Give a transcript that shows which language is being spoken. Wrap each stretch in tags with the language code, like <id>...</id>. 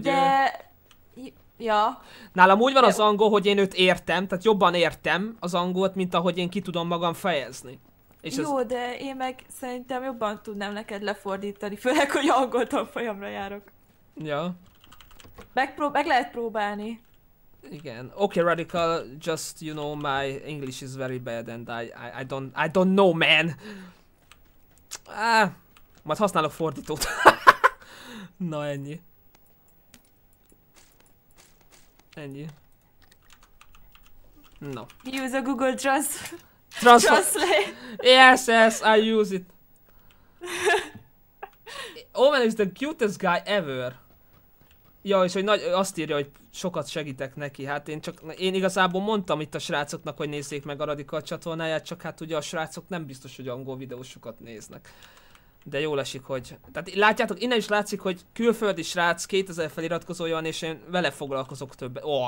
<hu>De... Ja. Nálam úgy van az angol, hogy én őt értem, tehát jobban értem az angolt, mint ahogy én ki tudom magam fejezni. És jó, ez... de én meg szerintem jobban tudnám neked lefordítani, főleg, hogy angol tanfolyamra járok. Ja. Meg lehet próbálni. Igen.</hu> <en>Okay, Radical, just, you know, my English is very bad and I don't know, man.</en> <hu>Majd használok fordítót. Na, ennyi. Ennyi. No.</hu> <en>Use a Google Translate. Yes, I use it. Owen is the cutest guy ever.</en> <hu>Ja, és hogy nagy, azt írja, hogy sokat segítek neki. Hát én csak, én igazából mondtam itt a srácoknak, hogy nézzék meg a Radical csatornáját, csak hát ugye a srácok nem biztos, hogy angol videósokat néznek. De jól esik, hogy... Tehát látjátok, innen is látszik, hogy külföldi srác 2000 feliratkozója van, és én vele foglalkozok többet.</hu>